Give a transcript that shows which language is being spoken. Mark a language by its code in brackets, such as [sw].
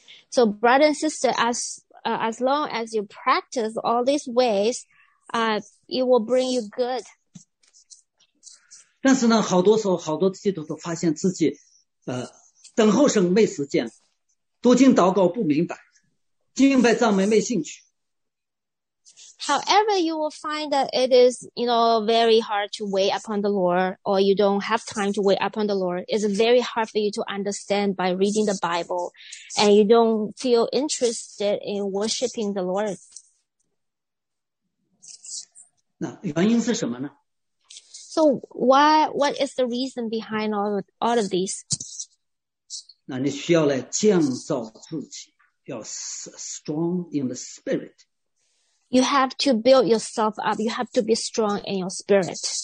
[en] So, brother and sister, as long as you practice all these ways, it will bring you good. [zh] 但是呢，好多时候，好多基督徒发现自己，等候神没时间，读经祷告不明白，敬拜赞美没兴趣。 [en] However, you will find that it is, you know, very hard to wait upon the Lord, or you don't have time to wait upon the Lord. It's very hard for you to understand by reading the Bible, and you don't feel interested in worshiping the Lord. [zh] 那原因是什么呢? [en] So why? What is the reason behind all of these? [zh] 那你需要来建造自己，要 [en] strong in the spirit. You have to build yourself up. You have to be strong in your spirit.